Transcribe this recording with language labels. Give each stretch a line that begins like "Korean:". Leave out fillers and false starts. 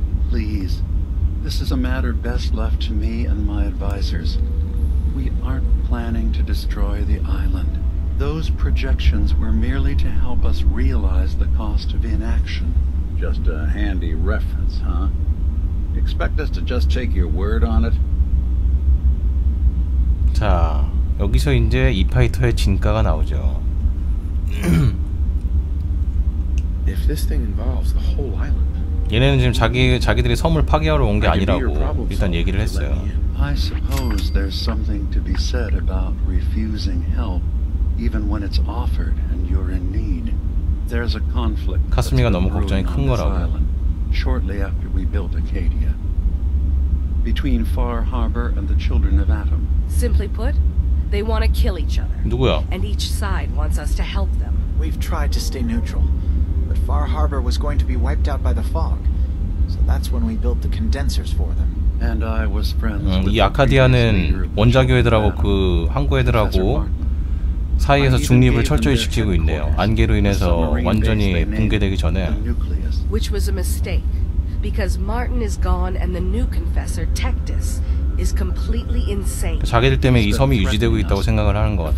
English: Please, this is a matter best left to me and my advisors. We aren't planning to destroy the island. Those projections were merely to help us realize the cost of inaction. Just a handy reference, huh? Expect us to just take your word on it?
Korean: 자, 여기서 이제 이 파이터의 진가가 나오죠.
English: If this thing involves the whole island.
Korean: 얘네는 지금 자기들이 섬을 파괴하러 온 게 아니라고 일단 얘기를 했어요.
English: I suppose there's something to be said about refusing help even when it's offered and you're in need. There's a conflict.
Korean: 카스미가 너무 걱정이 큰 거라고.
English: Shortly after we built Acadia. Between Far Harbor and the Children of Atom. Simply put, they want to kill each other.
Korean: 누구야?
English: And each side wants us to help them. We've tried to stay neutral, but Far Harbor was going to be wiped out by the fog. So that's when we built the condensers for them. And I was friends with.
Korean: 이 아카디아는 원자교 애들하고 그 항구 애들하고 사이에서 중립을 철저히 지키고 있네요. 안개로 인해서 완전히 붕괴되기 전에.
English: Which was a mistake, because Martin is gone and the new confessor Tectus is completely insane.
Korean: 자기들 때문에 이 섬이 유지되고 있다고 생각을 하는 것 같아.